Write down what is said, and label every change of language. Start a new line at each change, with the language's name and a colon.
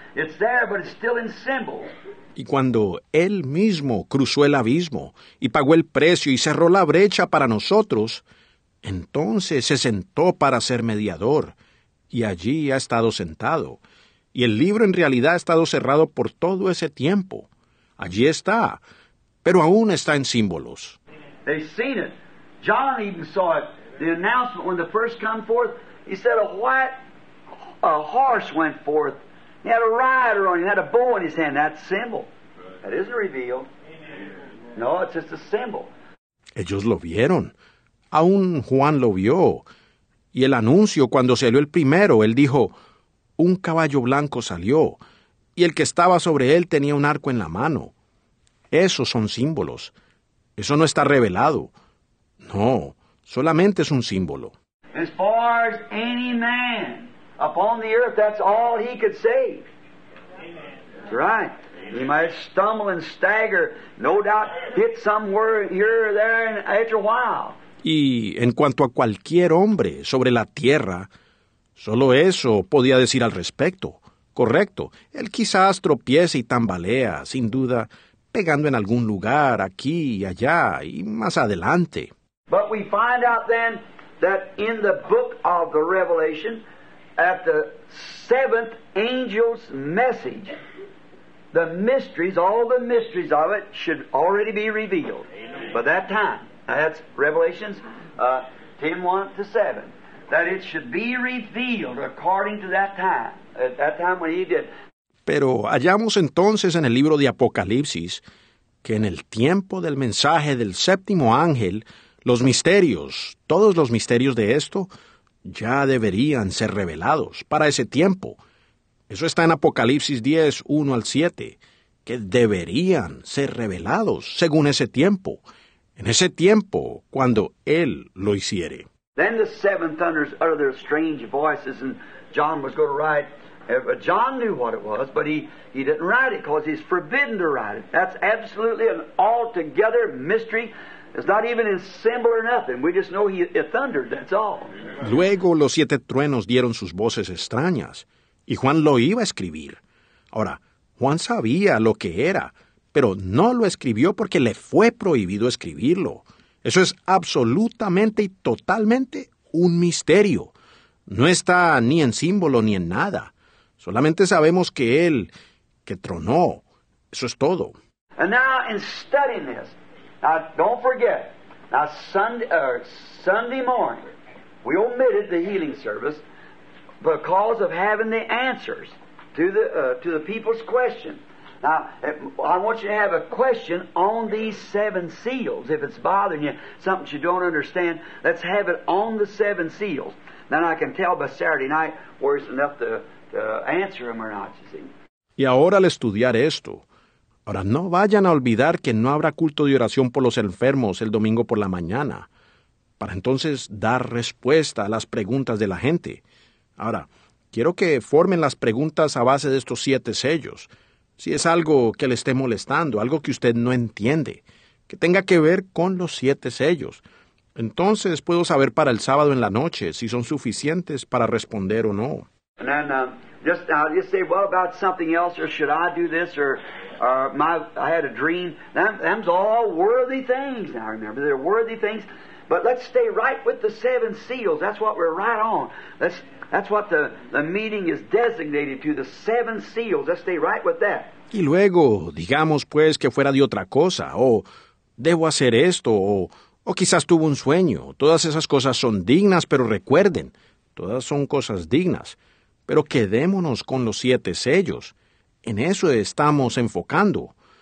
English: It's there, but it's still in symbols.
Spanish: Y cuando él mismo cruzó el abismo y pagó el precio y cerró la brecha para nosotros, entonces se sentó para ser mediador, y allí ha estado sentado. Y el libro en realidad ha estado cerrado por todo ese tiempo. Allí está, pero aún está en símbolos.
English: They've seen it. John even saw it. The announcement when the first come forth, he said a horse went forth. He had a rider on him. He had a bow in his hand. That's a symbol. That isn't revealed. No, it's just a symbol.
Spanish: Ellos lo vieron. Aún Juan lo vio. Y el anuncio, cuando salió el primero, él dijo, un caballo blanco salió, y el que estaba sobre él tenía un arco en la mano. Esos son símbolos. Eso no está revelado. No, solamente es un símbolo.
English: As far as any man upon the earth, that's all he could save. That's right. He might stumble and stagger, no doubt hit somewhere here or there and after a while.
Spanish: Y en cuanto a cualquier hombre sobre la tierra, solo eso podía decir al respecto. Correcto. Él quizás tropieza y tambalea, sin duda, pegando en algún lugar, aquí y allá, y más adelante.
English: But we find out then that in the book of the Revelation, at the seventh angel's message, the mysteries, all the mysteries of it, should already be revealed. Amen. By that time. Now that's Revelations 10:1-7. That it should be revealed according to that time. At that time when he did.
Spanish: Pero hallamos entonces en el libro de Apocalipsis que en el tiempo del mensaje del séptimo ángel, los misterios, todos los misterios de esto, ya deberían ser revelados para ese tiempo. Eso está en Apocalipsis 10:1-7, que deberían ser revelados según ese tiempo, en ese tiempo cuando Él lo hiciere.
English: Then the seven thunders utter their strange voices, and John was going to write. John knew what it was, but he didn't write it because he's forbidden to write it. That's absolutely an altogether mystery. It's not even in symbol or nothing. We just know it thundered, that's all.
Spanish: Luego los siete truenos dieron sus voces extrañas, y Juan lo iba a escribir. Ahora, Juan sabía lo que era, pero no lo escribió porque le fue prohibido escribirlo. Eso es absolutamente y totalmente un misterio. No está ni en símbolo ni en nada. Solamente sabemos que él, que tronó, eso es todo.
English: And now in studying this, now don't forget, now Sunday morning, we omitted the healing service because of having the answers to the people's question. Now, I want you to have a question on these seven seals. If it's bothering you, something you don't understand, let's have it on the seven seals. Then I can tell by Saturday night where it's enough to answer them or not, you see.
Spanish: Y ahora al estudiar esto, ahora no vayan a olvidar que no habrá culto de oración por los enfermos el domingo por la mañana, para entonces dar respuesta a las preguntas de la gente. Ahora, quiero que formen las preguntas a base de estos siete sellos. Si es algo que le esté molestando, algo que usted no entiende, que tenga que ver con los siete sellos, entonces puedo saber para el sábado en la noche si son suficientes para responder o no.
English: And then, just say, well, about something else, or should I do this, I had a dream. Them's all worthy things, now remember, they're worthy things. But let's stay right with the seven seals. That's what we're right on. That's what the meeting is designated to, the seven seals. Let's stay right with that.
Spanish: Y luego, digamos pues que fuera de otra cosa, o debo hacer esto, o quizás tuvo un sueño. Todas esas cosas son dignas, pero recuerden, todas son cosas dignas. Pero quedémonos con los siete sellos. En eso estamos enfocando.